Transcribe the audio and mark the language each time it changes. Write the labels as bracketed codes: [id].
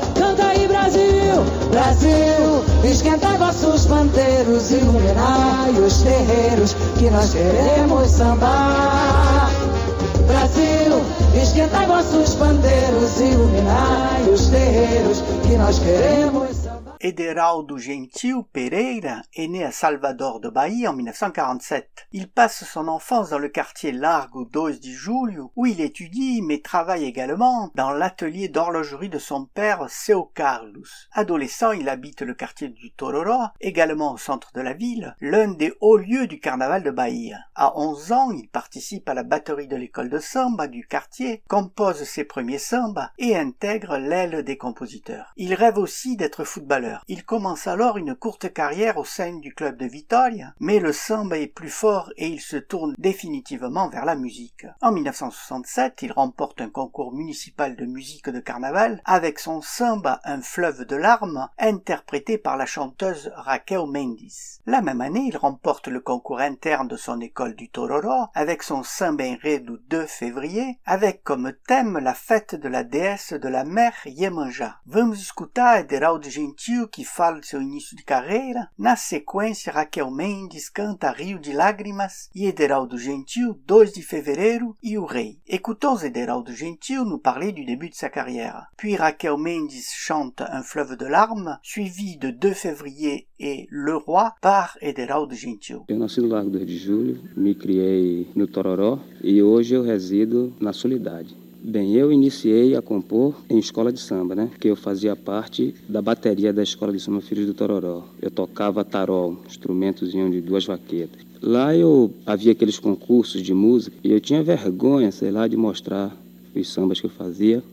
[pt] Canta aí Brasil, Brasil, esquenta vossos panteiros, iluminai os terreiros que nós queremos sambar. Brasil, esquenta vossos panteiros, iluminai os terreiros que nós queremos sambar. [fr] Ederaldo Gentil Pereira est né à Salvador de Bahia en 1947. Il passe son enfance dans le quartier Largo 2 de Julho, où il étudie mais travaille également dans l'atelier d'horlogerie de son père, Seu Carlos. Adolescent, il habite le quartier du Tororó, également au centre de la ville, l'un des hauts lieux du carnaval de Bahia. À 11 ans, il participe à la batterie de l'école de samba du quartier, compose ses premiers sambas et intègre l'aile des compositeurs. Il rêve aussi d'être footballeur. Il commence alors une courte carrière au sein du club de Vitória, mais le samba est plus fort et il se tourne définitivement vers la musique. En 1967, il remporte un concours municipal de musique de carnaval avec son samba « Un fleuve de larmes » interprété par la chanteuse Raquel Mendes. La même année, il remporte le concours interne de son école du Tororó avec son samba « Enredo 2 février » avec comme thème la fête de la déesse de la mer Iemanjá. [pt] Vamos escutar Ederaldo Gentil que fala do seu início de carreira. Na sequência, Raquel Mendes canta Rio de Lágrimas e Ederaldo Gentil, 2 de fevereiro, e O Rei. [fr] Écoutons Ederaldo Gentil nous parler du début de sa carrière. Puis Raquel Mendes chante Un fleuve de larmes, suivi de 2 février et Le Roi par Ederaldo Gentil. [pt] Eu nasci no Largo 2 de Julho, me criei no Tororó e hoje eu resido na Soledade. Bem, eu iniciei a compor em escola de samba, né? Porque eu fazia parte da bateria da escola de samba Filhos do Tororó. Eu tocava tarol, instrumentozinho de duas vaquetas. Lá eu havia aqueles concursos de música e eu tinha vergonha, sei lá, de mostrar os sambas que eu fazia.